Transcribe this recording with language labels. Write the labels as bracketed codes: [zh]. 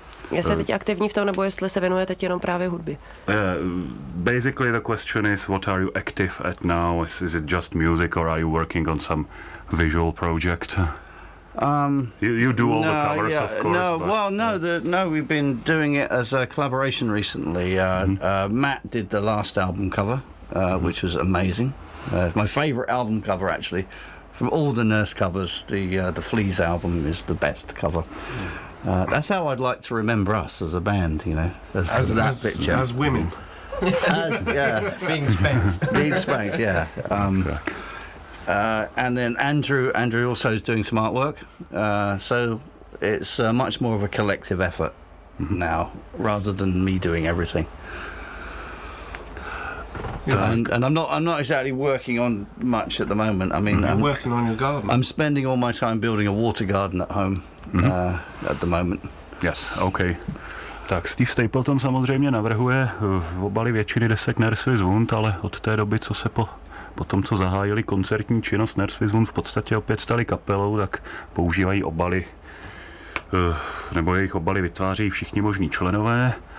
[cs] Jestli teď aktivní v tom, nebo jestli se věnuje teď jenom právě hudbě. [en] Basically, the question is, what are you active at now? Is it just music, or are you working on some visual project? We've been doing it as a collaboration recently. Matt did the last album cover, which was amazing. My favorite album cover, actually, from all the Nurse covers, the Fleas album is the best cover. That's how I'd like to remember us as a band, you know, as that picture. As women. Being spanked. And then Andrew also is doing some artwork, so it's much more of a collective effort now, rather than me doing everything. And I'm not exactly working on much at the moment. I mean, you're working on your garden. I'm spending all my time building a water garden at home at the moment. Yes. Okay. [cs] Tak Steve Stapleton samozřejmě navrhuje v obali většiny desek Nerswizund, ale od té doby, co se po tom, co zahájili koncertní činnost Nerswizund, v podstatě opět stali kapelou, tak používají obaly, nebo jejich obaly vytváří všichni možní členové.